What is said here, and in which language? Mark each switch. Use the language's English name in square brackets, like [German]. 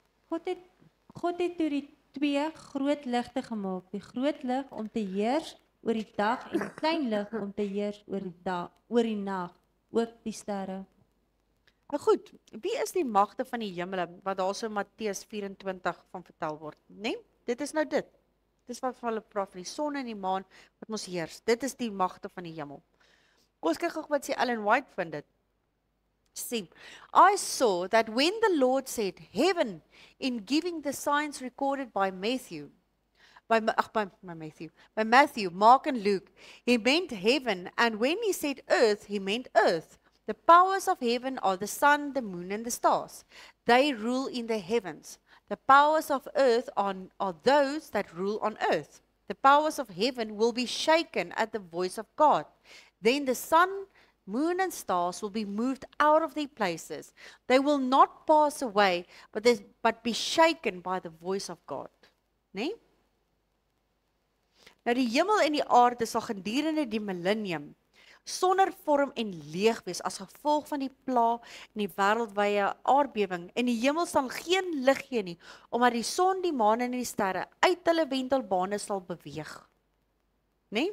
[Afrikaans] God het toe die twee groot ligte gemaak, die groot lig om te heers oor die dag en die klein lig om te heers oor die dag, oor die nag, ook die sterre. Nou goed, wie is die magte van die hemel wat daarso Matteus 24 van vertel word, né? Nee? Dit is nou dit. Dis wat van hulle praat van die son en die maan wat ons heers. Dit is die magte van die hemel. Kom ons kyk gou wat sê Ellen White van dit. [English] See, I saw that when the Lord said heaven in giving the signs recorded by Matthew, Mark and Luke, he meant heaven, and when he said earth, he meant earth. The powers of heaven are the sun, the moon, and the stars. They rule in the heavens. The powers of earth are those that rule on earth. The powers of heaven will be shaken at the voice of God. Then the sun, Moon and stars will be moved out of their places. They will not pass away, but be shaken by the voice of God. [Afrikaans] Nee? Nou die hemel en die aarde sal gedurende die millennium sonder vorm en leeg wees as gevolg van die plaag en die wêreldwye aardbewing en die hemel sal geen lig gee nie omdat die son, die maan en die sterre uit hulle wentelbane sal beweeg. Nee?